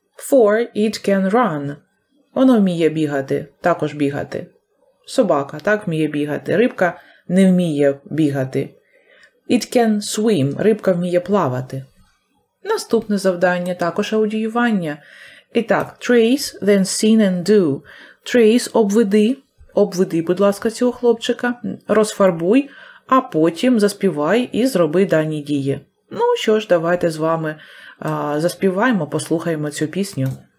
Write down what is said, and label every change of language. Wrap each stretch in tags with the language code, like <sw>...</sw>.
<uk>4.</uk> <en>It can run.</en> <uk>Воно вміє бігати. Також бігати. Собака так вміє бігати. Рибка не вміє бігати.</uk> <en>It can swim.</en> <uk>Рибка вміє плавати. Наступне завдання також аудіювання. І так,</uk> <en>trace, then seen and do.</en> <uk>Trace – обведи. Обведи, будь ласка, цього хлопчика. Розфарбуй, а потім заспівай і зроби дані дії. Ну що ж, давайте з вами заспіваємо, послухаємо цю пісню.</uk>